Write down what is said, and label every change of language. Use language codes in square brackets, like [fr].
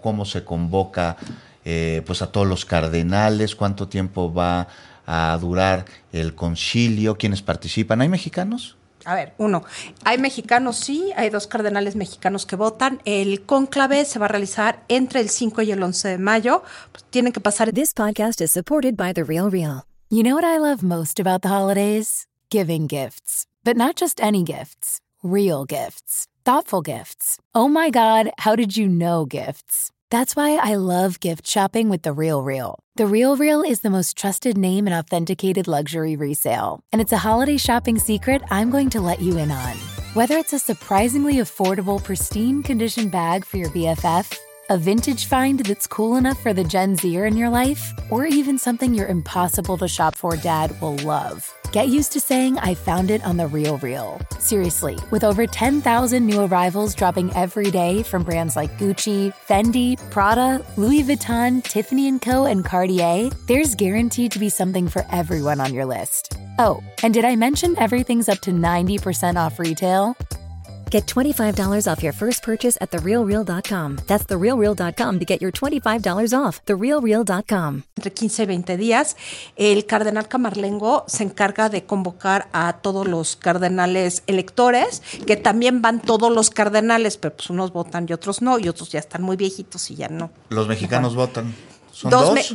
[es] ¿Cómo se convoca a todos los cardenales? ¿Cuánto tiempo va a durar el concilio? ¿Quiénes participan? ¿Hay mexicanos? A ver, uno, hay mexicanos, sí, hay 2 cardenales mexicanos que votan. El cónclave se va a realizar entre el 5 y el 11 de mayo. Tienen que pasar. [en] This podcast is supported by The Real Real. You know what I love most about the holidays? Giving gifts. But not just any gifts. Real gifts. Thoughtful gifts. Oh my God, how did you know gifts? That's why I love gift shopping with The Real Real. The Real Real is the most trusted name in authenticated luxury resale. And it's a holiday shopping secret I'm going to let you in on. Whether it's a surprisingly affordable, pristine condition bag for your BFF, a vintage find that's cool enough for the Gen Zer in your life, or even something your impossible to shop for dad will love. Get used to saying, I found it on The Real Real. Seriously, with over 10,000 new arrivals dropping every day from brands like Gucci, Fendi, Prada, Louis Vuitton, Tiffany & Co., and Cartier, there's guaranteed to be something for everyone on your list. Oh, and did I mention everything's up to 90% off retail? Get $25 off your first purchase at TheRealReal.com. That's TheRealReal.com to get your $25 off. TheRealReal.com. [es] Entre 15 y 20 días, el cardenal Camarlengo se encarga de convocar a todos los cardenales electores, que también van todos los cardenales, pero pues unos votan y otros no, y otros ya están muy viejitos y ya no. ¿Los mexicanos votan? ¿Son dos?